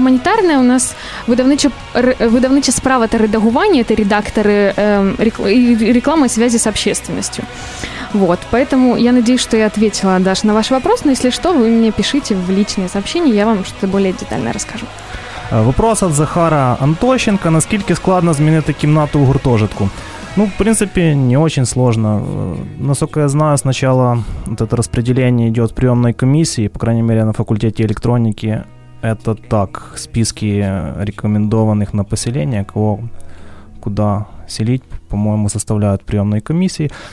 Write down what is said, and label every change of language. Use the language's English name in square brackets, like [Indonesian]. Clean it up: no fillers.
[Russian] Гуманитарная у нас выдавничо справа – это редагувание, это редакторы рекламы и связи с общественностью. Вот, поэтому я надеюсь, что я ответила, Даш, на ваш вопрос. Но если что, вы мне пишите в личные сообщения, я вам что-то более детально расскажу. Вопрос от Захара Антощенко. [Ukrainian] Наскільки складно змінити кімнату у гуртожитку? [Russian] Ну, в принципе, не очень сложно. Насколько я знаю, сначала вот это распределение идет в приемной комиссии, по крайней мере, на факультете электроники. Это так, списки рекомендованных на поселение, кого куда селить, по-моему, составляют приемные комиссии.